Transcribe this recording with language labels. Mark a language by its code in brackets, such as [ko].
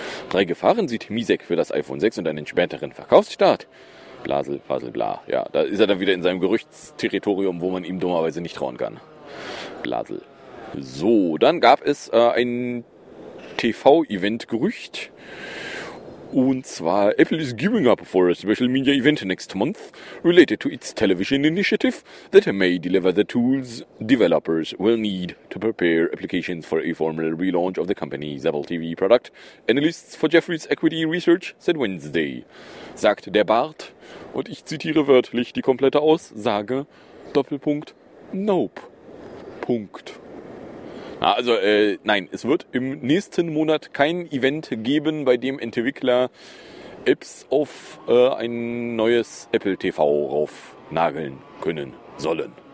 [de] Drei Gefahren sieht Misek für das iPhone 6 und einen späteren Verkaufsstart. Blasel, blasel, bla. Ja, da ist er dann wieder in seinem Gerüchtsterritorium, wo man ihm dummerweise nicht trauen kann. Blasel. So, dann gab es ein TV-Event-Gerücht. Und zwar, [en] Apple is giving up for a special media event next month related to its television initiative that may deliver the tools developers will need to prepare applications for a formal relaunch of the company's Apple TV product. Analysts for Jefferies Equity Research said Wednesday, [de] sagt der Bart, und ich zitiere wörtlich die komplette Aussage, Doppelpunkt, nope. Punkt. Also nein, es wird im nächsten Monat kein Event geben, bei dem Entwickler Apps auf ein neues Apple TV raufnageln können sollen.